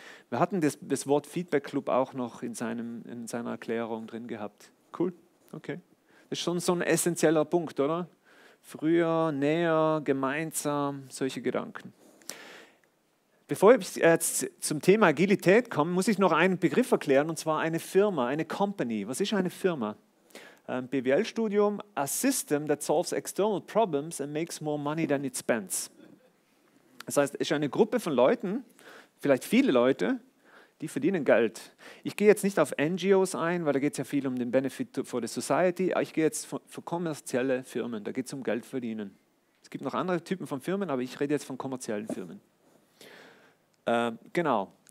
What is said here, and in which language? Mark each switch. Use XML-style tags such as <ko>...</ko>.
<de>Wir hatten das Wort Feedback Club auch noch in seiner Erklärung drin gehabt. Cool, okay. Das ist schon so ein essentieller Punkt, oder? Früher, näher, gemeinsam, solche Gedanken. Bevor ich jetzt zum Thema Agilität komme, muss ich noch einen Begriff erklären, und zwar eine Firma, eine Company. Was ist eine Firma?</de> <en>BWL-Studium, a system that solves external problems and makes more money than it spends.</en> <de>Das heißt, es ist eine Gruppe von Leuten, vielleicht viele Leute, die verdienen Geld. Ich gehe jetzt nicht auf NGOs ein, weil da geht es ja viel um den</de> <en>Benefit for the Society.</en> <de>Ich gehe jetzt für kommerzielle Firmen, da geht es um Geld verdienen. Es gibt noch andere Typen von Firmen, aber ich rede jetzt von kommerziellen Firmen. Genau.</de>